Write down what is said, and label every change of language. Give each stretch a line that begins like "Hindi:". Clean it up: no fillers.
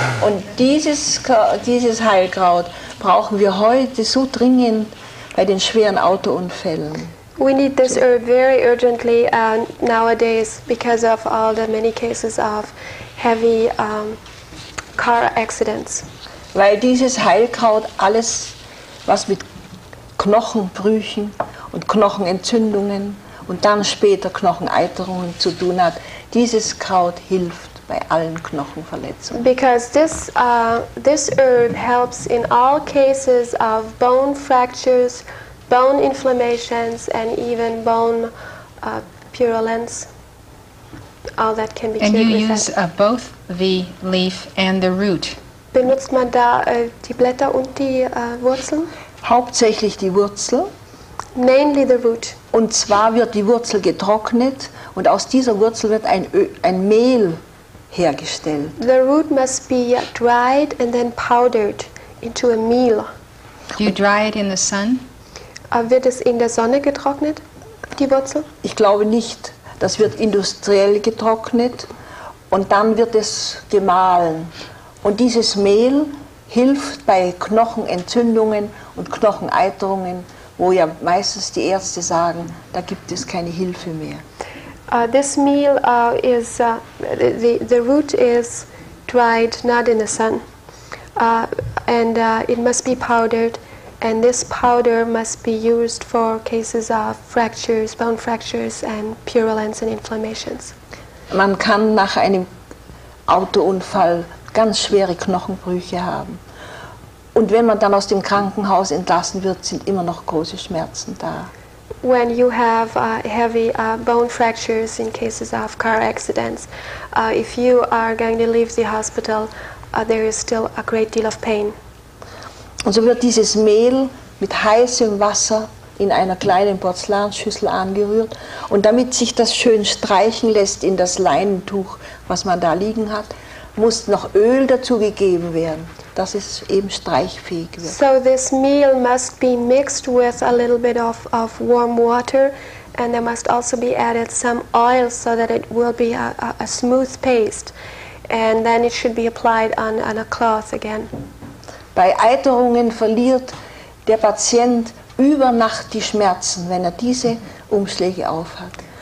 German: Und dieses Heilkraut brauchen wir heute so dringend bei den schweren Autounfällen.
English: We need this herb very urgently nowadays because of all the many cases of heavy car accidents.
German: Weil dieses Heilkraut alles, was mit Knochenbrüchen und Knochenentzündungen und dann später Knocheneiterungen zu tun hat, dieses Kraut hilft bei allen Knochenverletzungen.
English: Because this herb helps in all cases of bone fractures, bone inflammations and even bone purulence. All that can be cured with that. And you use both the leaf and the root.
German: Benutzt man da die Blätter und die Wurzeln? Hauptsächlich die Wurzel.
English: Mainly the root.
German: Und zwar wird die Wurzel getrocknet und aus dieser Wurzel wird ein Mehl hergestellt.
English: The root must be dried and then powdered into a meal. Do you dry it in the sun?
German: Wird es in der Sonne getrocknet, die Wurzel? Ich glaube nicht. Das wird industriell getrocknet und dann wird es gemahlen. Und dieses Mehl hilft bei Knochenentzündungen und Knocheneiterungen, wo ja meistens die Ärzte sagen, da gibt es keine Hilfe mehr.
English: This meal is the root is dried, not in the sun, and it must be powdered, and this powder must be used for cases of fractures, bone fractures and purulence and inflammations.
German: Man kann nach einem Autounfall ganz schwere Knochenbrüche haben. Und wenn man dann aus dem Krankenhaus entlassen wird, sind immer noch große Schmerzen da.
English: When you have heavy bone fractures in cases of car accidents, if you are going to leave the hospital, there is still a great deal of pain.
German: Und so wird dieses Mehl mit heißem Wasser in einer kleinen Porzellanschüssel angerührt und damit sich das schön streichen lässt in das Leinentuch, was man da liegen hat, muss noch Öl dazu gegeben werden, dass es eben streichfähig wird.
English: So this meal must be mixed with a little bit of warm water and there must also be added some oil so that it will be a smooth paste and then it should be applied on a cloth again.
German: Bei Eiterungen verliert der Patient über Nacht die Schmerzen, wenn er diese Umschläge aufhat.